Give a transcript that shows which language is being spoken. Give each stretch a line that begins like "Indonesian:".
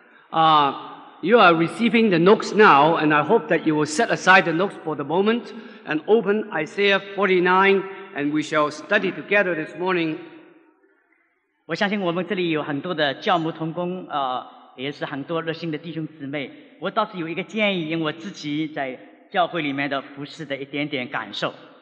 Chinese: 希望你先不要看讲义，定好，我们现在就要开始把圣经翻开来。我们现在所放的圣经是在以赛亚书第49章，我们昨天已经开始了，那么今天呢，我们再继续的重新再来看以赛亚书49章。等各位把圣经翻开之后呢，那么然后我们来读。
English: you are receiving the notes now, and I hope that you will set aside the notes for the moment and open Isaiah 49. And we shall study together this morning.
Chinese: 我相信我们这里有很多的教牧同工，也是很多热心的弟兄姊妹。我倒是有一个建议，因为我自己在教会里面的服事的一点点感受。